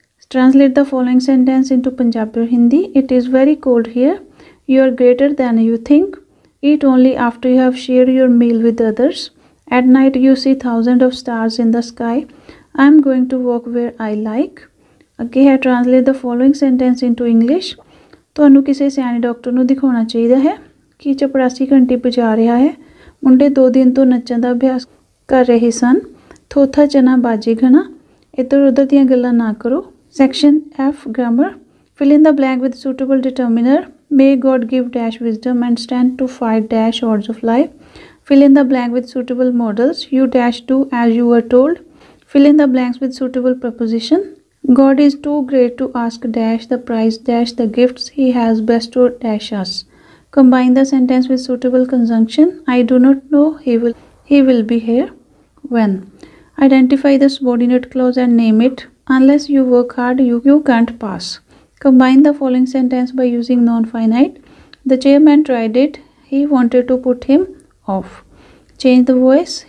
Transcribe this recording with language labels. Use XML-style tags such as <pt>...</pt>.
<en>Translate the following sentence into Punjabi or Hindi. It is very cold here. You are greater than you think. Eat only after you have shared your meal with others. At night you see thousands of stars in the sky. I am going to walk where I like.</en> <pa>ਅੱਗੇ ਹੈ</pa> <en>translate the following sentence into English</en> <pa>ਤੁਹਾਨੂੰ ਕਿਸੇ ਸਿਆਣੇ doctor ਨੂੰ ਦਿਖਾਉਣਾ ਚਾਹੀਦਾ ਹੈ ਕਿ ਚਪੜਾਸੀ ਘੰਟੀ ਵਜਾ ਰਿਹਾ ਹੈ ਮੁੰਡੇ 2 ਦਿਨ ਤੋਂ ਨੱਚਣ ਦਾ ਅਭਿਆਸ ਕਰ ਰਹੇ ਸਨ ਥੋਥਾ ਚਨਾ ਬਾਜੀ ਘਣਾ ਇੱਧਰ ਉੱਧਰ ਦੀਆਂ ਗੱਲਾਂ ਨਾ ਕਰੋ</pa> <en>Section F grammar fill in the blank with suitable determiner may God give dash wisdom and stand to fight dash odds of life fill in the blank with suitable modals you dash do as you are told fill in the blanks with suitable preposition God is too great to ask dash the price dash the gifts he has bestowed dash us. Combine the sentence with suitable conjunction. I do not know. He will be here when. Identify the subordinate clause and name it. Unless you work hard, you can't pass. Combine the following sentence by using non-finite. The chairman tried it. He wanted to put him off. Change the voice.</en>